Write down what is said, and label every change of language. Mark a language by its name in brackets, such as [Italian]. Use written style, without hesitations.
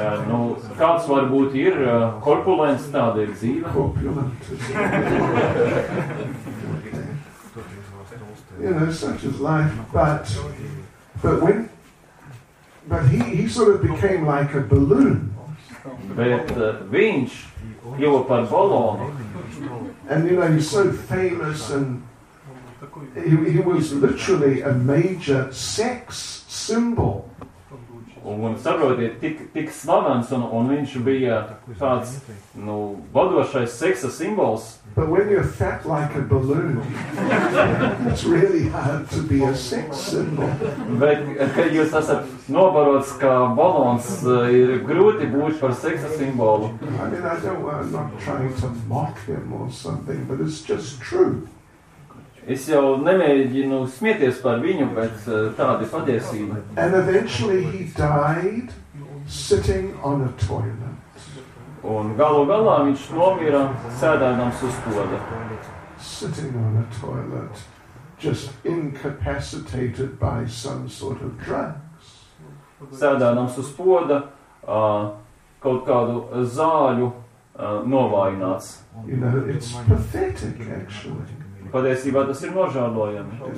[Latvian] Nu, kāds varbūt ir korpulents, tāda ir dzīve. Korpulent. [English] You know, such as life, but he sort of became like a balloon. [Latvian] Bet viņš kļuva par balonu. [English] And you know, he's so famous, and he was literally a major sex symbol. [Latvian] Un saprotiet, tik slavens, un viņš bija tāds, nu, vadošais seksa simbols. [English] But when you're fat like a balloon, it's really hard to be a sex symbol. [Latvian] Bet, kad jūs esat nobarots kā balons, ir grūti būt par seksa simbolu. [English] I mean, I'm not trying to mock him or something, but it's just true. [Latvian] Es jau nemēģinu smieties par viņu, bet tāda ir patiesība. [English] And eventually he died sitting on a toilet. [Latvian] Un galu galā viņš nomira sēdēdams uz toda. [English] Sitting on a toilet, just incapacitated by some sort of drugs. [Latvian] Sēdēdams uz poda, kaut kādu zāļu novājināts. [English] You know, it's pathetic, actually. [Latvian] Patiesībā tas ir nožālojami.